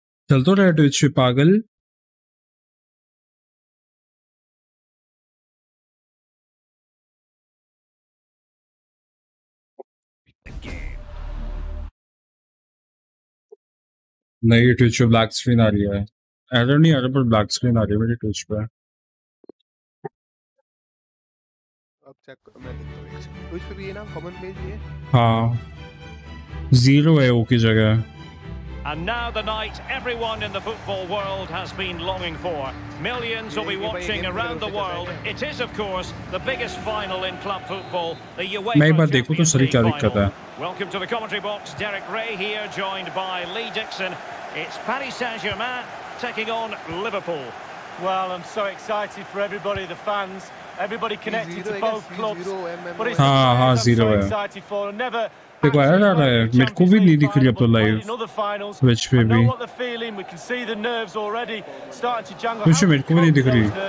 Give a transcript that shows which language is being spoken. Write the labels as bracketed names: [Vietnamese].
[Hindi] चल तो रहा है ट्विच पे पागल। नहीं ट्विच पे ब्लैक स्क्रीन आ रही है, एरर नहीं आ रहा पर ब्लैक स्क्रीन आ रही है मेरी ट्विच पे। अब चेक करो, मैं देखता हूँ ट्विच पे भी है ना, कॉमन पेज भी है। हाँ जीरो है ओ की जगह। [English] And now the night everyone in the football world has been longing for. Millions will be watching around the world. It is, of course, the biggest final in club football, the UEFA Champions League final. Welcome to the commentary box. Derek Ray here, joined by Lee Dixon. It's Paris Saint-Germain taking on Liverpool. Well, I'm so excited for everybody, the fans, everybody connected to both clubs. But it's zero. I'm so excited for never. [Hindi] देखो error आ रहा है मेरे को भी नहीं दिख रही अब तो लाइव ट्विच पे भी, ट्विच पे मेरे को भी नहीं दिख रही।